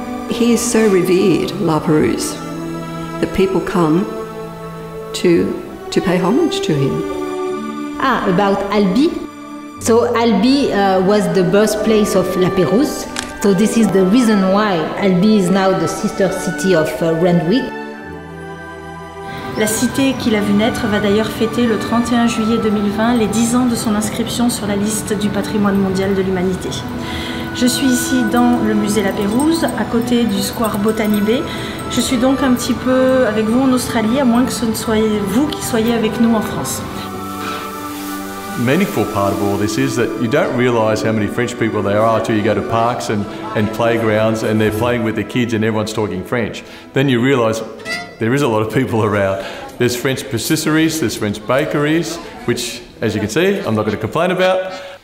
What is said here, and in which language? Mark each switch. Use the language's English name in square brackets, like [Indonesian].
[English] He is so revered, La Pérouse, that people come to pay homage to him. Ah, about Albi. So Albi was the birthplace of La Pérouse. So this is the reason why Albi is now the sister city of Randwick. [French] La cité qu'il a vu naître va d'ailleurs fêter le 31 juillet 2020 les 10 ans de son inscription sur la liste du patrimoine mondial de l'humanité. Je suis ici dans le musée La Pérouse, à côté du square Botany Bay. Je suis donc un petit peu avec vous en Australie, à moins que ce ne soyez vous qui soyez avec nous en France. [English] Meaningful part of all this is that you don't realise how many French people there are until you go to parks and playgrounds and they're playing with their kids and everyone's talking French. Then you realise there is a lot of people around. There's French patisseries, there's French bakeries, which, as you can see, I'm not going to complain about.